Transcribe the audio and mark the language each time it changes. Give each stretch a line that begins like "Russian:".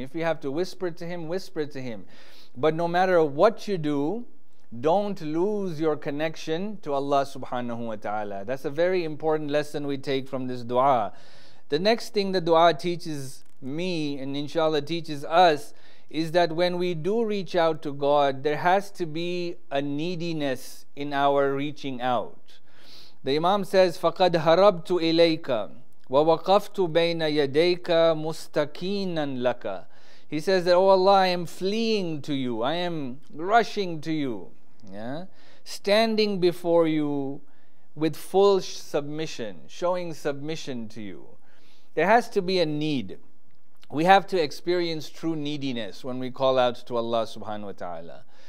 English: If you have to whisper to him, whisper to him. But no matter what you do, don't lose your connection to Allah subhanahu wa ta'ala. That's a very important lesson we take from this dua. The next thing the dua teaches me, and inshallah teaches us, is that when we do reach out to God, there has to be a neediness in our reaching out. The Imam says,
Arabic: فَقَدْ هَرَبْتُ إِلَيْكَ وَوَقَفْتُ بَيْنَ يَدَيْكَ مُسْتَكِينًا لَكَ.
English: He says that, oh Allah, I am fleeing to you. I am rushing to you. Yeah? Standing before you with full submission, showing submission to you. There has to be a need. We have to experience true neediness when we call out to Allah subhanahu wa ta'ala.